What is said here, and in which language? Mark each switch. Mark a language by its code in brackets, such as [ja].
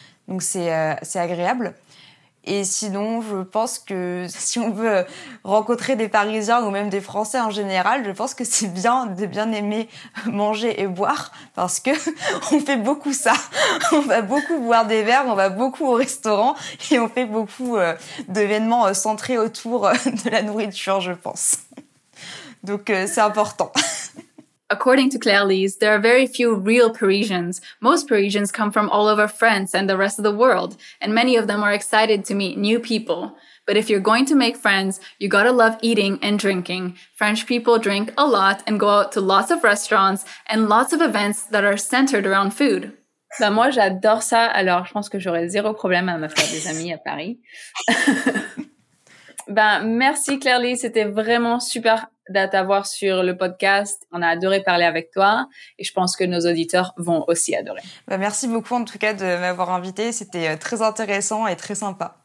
[fr] Donc c'est agréable. Et sinon, je pense que si on veut rencontrer des Parisiens ou même des Français en général, je pense que c'est bien de bien aimer manger et boire, parce que on fait beaucoup ça. On va beaucoup boire des verres, on va beaucoup au restaurant et on fait beaucoup d'événements centrés autour de la nourriture, je pense. Donc c'est important. [en] According to Claire-Lise, there are very few real Parisians. Most Parisians come from all over France and the rest of the world, and many of them are excited to meet new people. But if you're going to make friends, you gotta love eating and drinking. French people drink a lot and go out to lots of restaurants and lots of events that are centered around food. [fr] Ben moi, j'adore ça, alors je pense que j'aurai zéro problème à me faire des amis à Paris. Ben, merci Claire-Lise, c'était vraiment super de t'avoir sur le podcast. On a adoré parler avec toi et je pense que nos auditeurs vont aussi adorer. Ben, merci beaucoup en tout cas de m'avoir invité, c'était très intéressant et très sympa.